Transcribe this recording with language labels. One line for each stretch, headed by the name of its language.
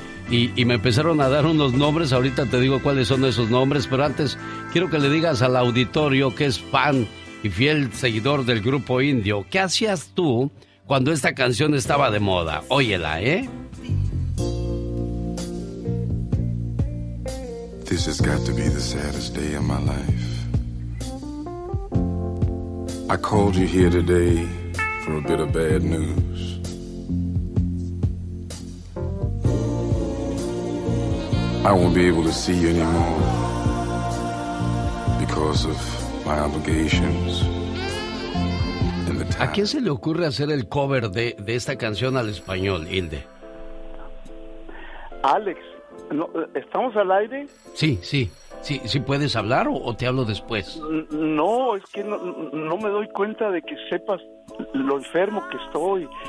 Spanish: Y me empezaron a dar unos nombres, ahorita te digo cuáles son esos nombres, pero antes quiero que le digas al auditorio que es fan y fiel seguidor del grupo Indio, ¿qué hacías tú cuando esta canción estaba de moda? Óyela, ¿eh?
English: This has got to be the saddest day of my life. I called you here today for a bit of bad news. I won't be able to see you anymore because of my obligations.
Spanish: ¿A quién se le ocurre hacer el cover de esta canción al español, Hilde? Alex, no, ¿estamos al aire? Sí, sí, sí, sí, ¿puedes hablar o te hablo después? No, es que no me doy cuenta de que sepas lo enfermo que estoy.